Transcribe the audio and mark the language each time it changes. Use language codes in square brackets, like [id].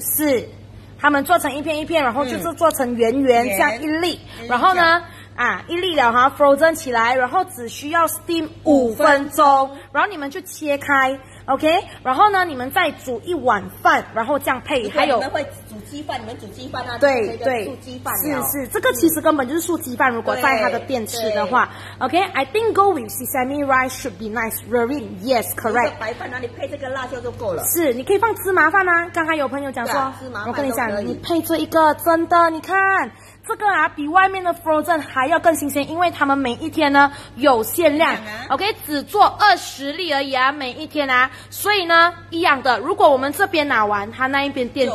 [zh] 是，他们做成一片一片，然后就是做成圆圆这样一粒，然后呢，啊，一粒了哈 ，frozen 起来，然后只需要 steam 5分钟，然后你们就切开 ，OK， 然后呢，你们再煮一碗饭，然后这样配，还有。鸡饭，你们煮鸡饭啊？对对，素鸡饭是是，这个其实根本就是素鸡饭。如果在他的店吃的话 [en] ，OK， I think go with sesame rice should be nice. Rearing, yes, correct. [zh] 白饭啊，你配这个辣椒就够了。是，你可以放芝麻饭啊。刚才有朋友讲说，芝麻饭我跟你讲，你配这一个真的，你看这个啊，比外面的 frozen 还要更新鲜，因为他们每一天呢有限量、啊、，OK， 只做20粒而已啊，每一天啊。所以呢，一样的，如果我们这边拿完，他那一边店